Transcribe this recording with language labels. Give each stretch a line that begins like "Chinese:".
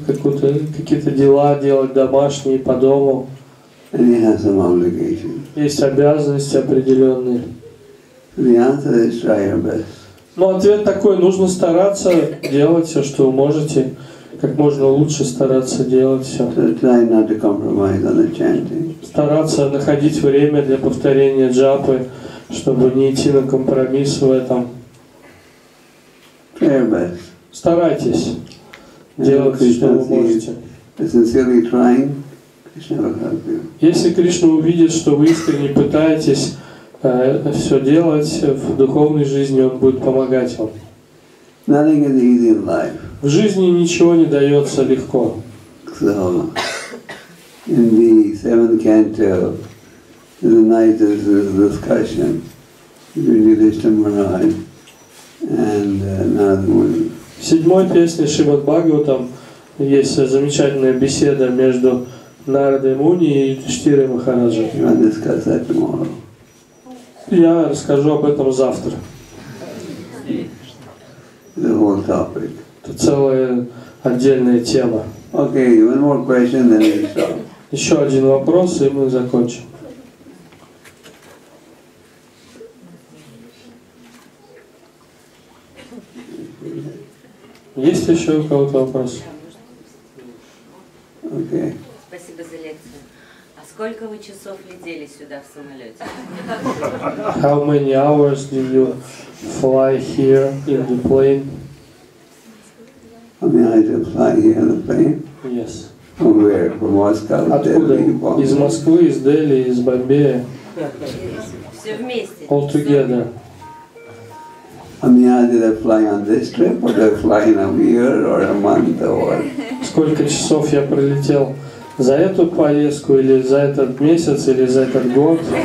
Russian: Какие-то дела делать домашние по дому.
English: And he has some obligations.
Russian: Есть обязанности определенные.
English: The answer is try your best.
Russian: Но ответ такой: нужно стараться делать все, что вы можете, как можно лучше стараться делать все.
English: So try not to compromise on the chanting.
Russian: Стараться находить время для повторения джапы, чтобы не идти на компромисс в этом.
English: Try your best.
Russian: Старайтесь делать, что вы можете.
English: It's sincerely trying. Krishna will help you.
Russian: Если Кришна увидит, что вы искренне пытаетесь все делать в духовной жизни, он будет помогать вам.
English: Nothing is easy in life.
Russian: В жизни ничего не дается легко.
English: So, in the seventh canto, the night is a discussion with Yudhishthira Maharaj and Narada Muni.
Russian: В седьмой песне Шримад Бхагаватам есть замечательная беседа между Нарадой Муни и Юдхиштхирой Махараджем.
English: You want to discuss that tomorrow?
Russian: Я расскажу об этом завтра.
English: The whole topic.
Russian: Это целая отдельная тема.
English: Okay, one more question, then we stop.
Russian: Еще один вопрос, и мы закончим. Есть еще у кого-то вопрос?
English: Okay.
Russian: Спасибо за лекцию. А сколько вы часов летели сюда в самолете?
English: How many hours did you fly here in the plane? I mean, I did fly here in the plane? Yes. From where? From Moscow?
Russian: Откуда? Из Москвы, из Дели, из Бомбея. Все вместе.
English: All together. I mean, did I fly on this trip, or did I fly in a year, or a month, or?
Russian: Сколько часов я пролетел за эту поездку, или за этот месяц, или за этот год?